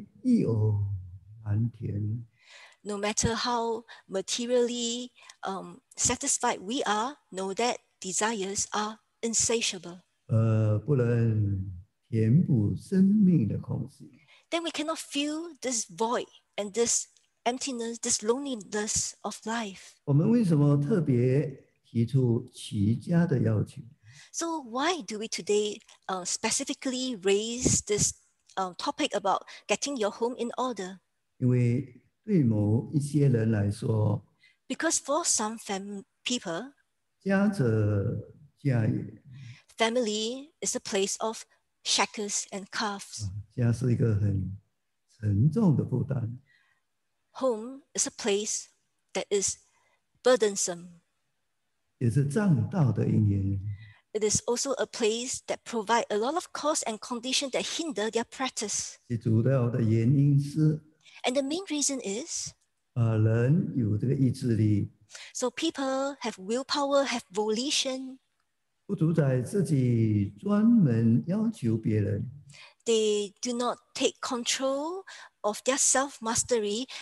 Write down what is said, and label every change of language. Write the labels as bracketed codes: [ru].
[zh] 再多的物质也因意而难填, [en] no matter how materially satisfied we are, know that desires are insatiable. [zh] 不能填补生命的空隙, [en] then we cannot feel this void and this emptiness, this loneliness of life. [zh] 我们为什么特别提出齐家的要求? [en] So why do we today specifically raise this topic about getting your home in order? [zh] 因为对某一些人来说, [en] because for some people, [zh] 家者家也, [en] family is a place of shackles and cuffs. [zh] 家是一个很沉重的负担, [en] home is a place that is burdensome. [zh] 也是障道的因缘, [en] it is also a place that provides a lot of cause and condition that hinder their practice. [zh] 其主要的原因是, [en] and the main reason is, [zh] 人有这个意志力, [en] so people have willpower, have volition, [zh] 不主宰自己专门要求别人, [en] they do not take control of their self-mastery.